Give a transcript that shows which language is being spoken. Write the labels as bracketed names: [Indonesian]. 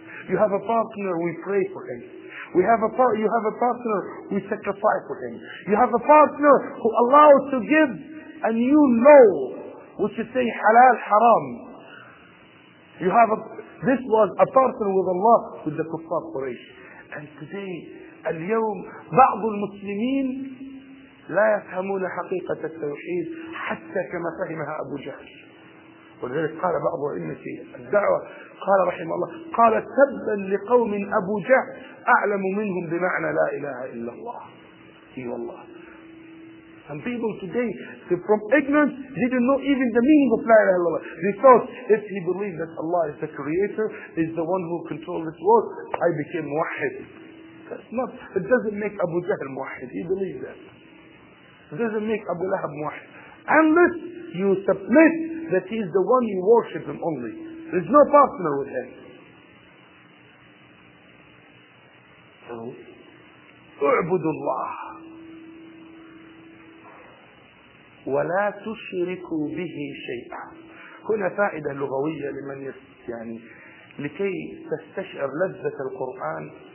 [English] You have a partner, we pray for him. We have a part, you have a partner, we sacrifice for him. You have a partner who allows to give a new law, which is saying halal, haram. You have a, this was a partner with Allah, with the Kuffar Quraysh. And today, [Arabic] اليوم, بعض المسلمين لا يفهمون حقيقة التوحيد حتى كما فهمها أبو جهل. ولذلك قال بعض العلماء في الدعوة قال رحمه الله قال تبا لقوم أبو جهل أعلم منهم بمعنى لا إله إلا الله. إي والله. [English] Some people today from ignorance they didn't know even the meaning of [Arabic] لا إله إلا الله. [English] They thought if he believed that Allah is the creator, is the one who controls this world, I became موحد. That's not, it doesn't make Abu Jahl موحد. He believed that. It doesn't make Abu Lahab موحد. Unless you submit that he is the one you worship him only. There is no partner with him. [Arabic] So, اعبدوا الله ولا تشركوا به شيئا. هنا فائدة لغوية لمن يعني لكي تستشعر لذة القرآن.